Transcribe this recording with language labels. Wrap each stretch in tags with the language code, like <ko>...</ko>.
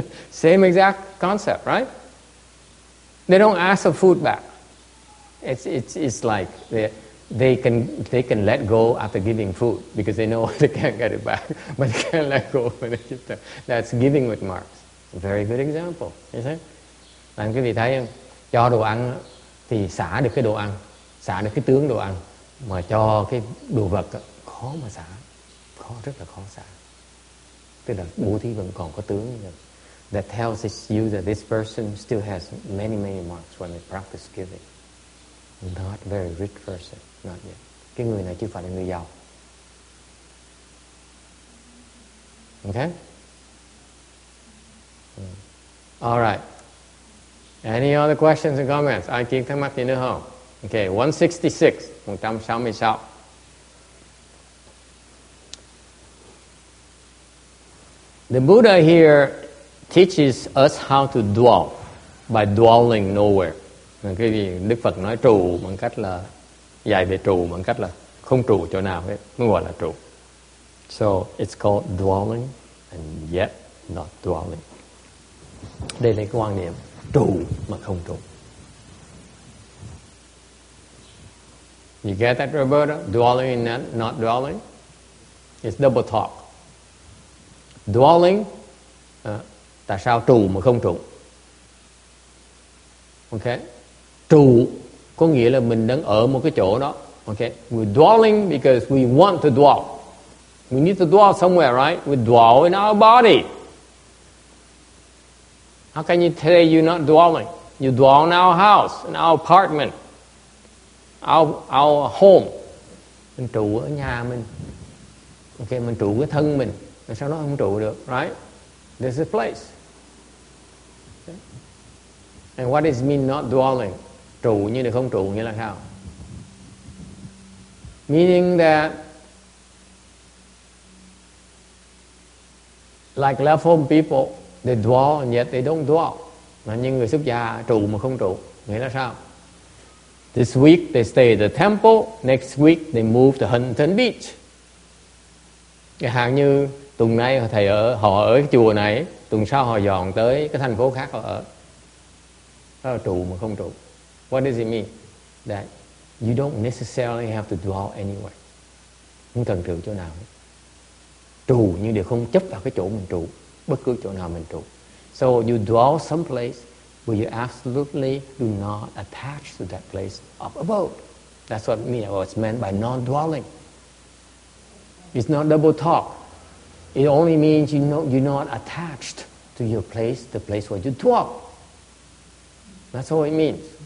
<en>Same exact concept, right? They don't ask for food back. It's like they can let go after giving food because they know they can't get it back, but they can't let go when they give them. That's giving with marks. Very good example, you see?</en> <vi>Làm quý vị thấy không? Cho đồ ăn thì xả được cái đồ ăn, xả được cái tướng đồ ăn, mà cho cái đồ vật khó mà xả, khó, rất là khó xả. Tức là bố thí vẫn còn có tướng.</vi> <en>That tells you that this person still has many, many marks when they practice giving. Not very rich person, not yet.</en> <vi>Cái người này chưa phải là người giàu.</vi> <en>Okay? All right. Any other questions or comments?</en> <vi>Ai kiến thắc mắc gì nữa không?</vi> <en>Okay, 166, 166. The Buddha here teaches us how to dwell by dwelling nowhere.</en> <vi>Cái gì Đức Phật nói trụ bằng cách là dạy về trụ bằng cách là không trụ chỗ nào hết, mới gọi là trụ.</vi> <en>So it's called dwelling and yet not dwelling.</en> <vi>Đây là cái quan niệm trụ mà không trụ.</vi> <en>You get that, Roberta? Dwelling and not dwelling? It's double talk.</en> <vi>Dwelling, tại sao trụ mà không trụ? Ok. Trụ có nghĩa là mình đang ở một cái chỗ đó.</vi> <en>Ok. We're dwelling because we want to dwell. We need to dwell somewhere, right? We dwell in our body. How can you say you're not dwelling? You dwell in our house, in our apartment, our home.</en> <vi>Mình trụ ở nhà mình. Ok, mình trụ với thân mình. Tại sao nó không trụ được,</vi> <en>right? This is a place. Okay. And what does it mean not dwelling?</en> <vi>Trụ như là không trụ nghĩa là sao?</vi> <en>Meaning that like left home people, they dwell and yet they don't dwell.</en> <vi>Mà như người xuất gia trụ mà không trụ nghĩa là sao?</vi> <en>This week they stay at the temple, next week they move to Huntington Beach.</en> <vi>Cái hạn như tuần nay thầy ở, họ ở cái chùa này, tuần sau họ dọn tới cái thành phố khác họ ở. Đó là trụ mà không trụ.</vi> <en>What does it mean? That you don't necessarily have to dwell anywhere.</en> <vi>Không cần trụ chỗ nào. Trụ nhưng đều không chấp vào cái chỗ mình trụ. Bất cứ chỗ nào mình trụ.</vi> <en>So you dwell someplace where you absolutely do not attach to that place of abode. That's what it means, what's meant by non-dwelling. It's not double talk. It only means you know you're not attached to your place, the place where you dwell. That's all it means.</en>